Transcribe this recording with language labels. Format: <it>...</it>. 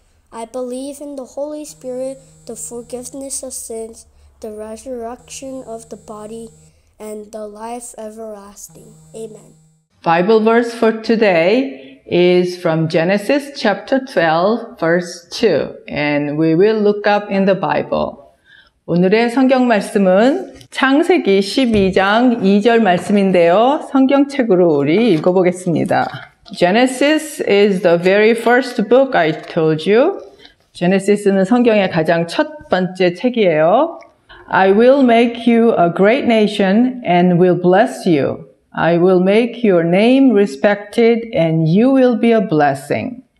<en>I believe in the Holy Spirit, the forgiveness of sins, the resurrection of the body, and the life everlasting. Amen. Bible verse for today is from Genesis chapter 12, verse 2, and we will look up in the Bible.</en> <ko>오늘의 성경 말씀은 창세기 12장 2절 말씀인데요. 성경책으로 우리 읽어보겠습니다.</ko> <en>Genesis is the very first book I told you.</en> <ko>Genesis는 성경의 가장 첫 번째 책이에요.</ko> <en>I will make you a great nation and will bless you. I will make your name respected and you will be a blessing.</en>